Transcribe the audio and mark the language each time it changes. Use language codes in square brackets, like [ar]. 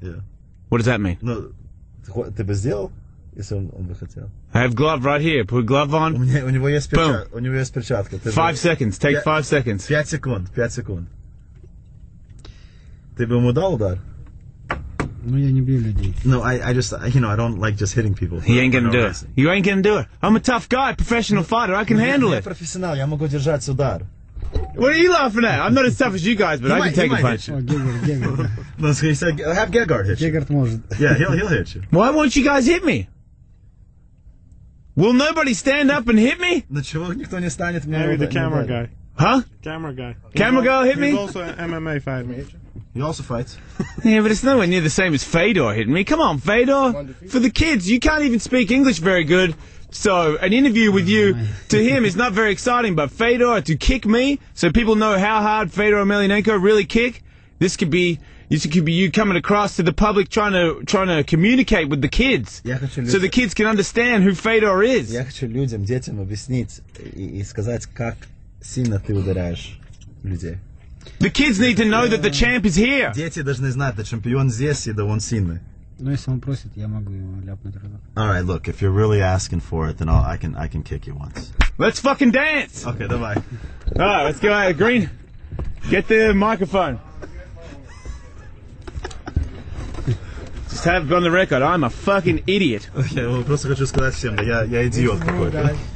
[en] Yeah. What does that mean? [ru] No, ты бы сделал, если он бы хотел. [en] I have glove right here. Put glove on. [ru] У него есть перчатка. У него есть перчатка. [en] Five seconds. [ru] 5 секунд. Ты бы ему дал удар? Ну, я не бью людей. [en] No, I just, you know, I don't like just hitting people. He ain't gonna do it. You ain't gonna do it. I'm a tough guy, professional fighter. I can handle it. [ru] Я профессионал, я могу держать удар. [en] What are you laughing at? I'm not as tough as you guys, but he I can take a punch. Oh, Gegard. So he said, have Gegard hit you. [ru] Gegard может. [en] Yeah, he'll hit you. Why won't you guys hit me? Will nobody stand up and hit me? [ru] Ну чего никто не станет [en] мне? Maybe the camera guy. Huh? Camera guy. Camera girl hit me? He's also an MMA fighter. He also fights. Yeah, but it's nowhere near the same as Fedor hitting me. Come on, Fedor. For the kids, you can't even speak English very good. So an interview with you to him is not very exciting, but Fedor to kick me, so people know how hard Fedor Emelianenko really kick. This could be you coming across to the public trying to communicate with the kids, so the kids can understand who Fedor is. [ru] Я хочу людям, детям объяснить и сказать, как сильно ты ударяешь людей. [en] The kids need to know that the champ is here. [ru] Дети должны знать, что чемпион здесь и да он сильный. Ну, если он просит, я могу его ляпнуть разок. [en] All right, look, if you're really asking for it, then I can kick you once. Let's fucking dance! [ru] Okay, давай. [en] All right, let's go ahead. Green, get the microphone. Just have it on the record, I'm a fucking idiot. Okay, well, [ru] просто хочу сказать всем, да, я идиот какой-то.